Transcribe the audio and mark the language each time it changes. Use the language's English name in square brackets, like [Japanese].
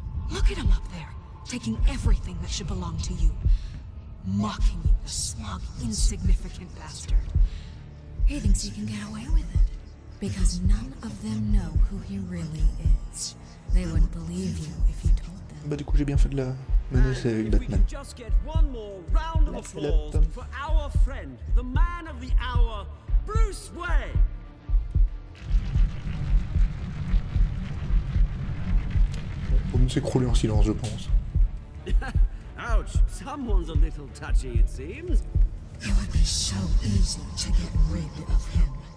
[English] Look at him up there, taking everything that should belong to you. Mocking you, the smug, insignificant bastard. He thinks he can get away with it. Because none of them know who he really is. They wouldn't believe you if you told them. [French] Bah du coup j'ai bien fait de la menacer avec Batman. [English] Just get one more round of applause for our friend, the man of the hour, Bruce Wayne. [French] Il faut mieux s'écrouler en silence, je pense. [English] Ouch, someone's a little touchy, it seems. It would be so easy to get rid of him.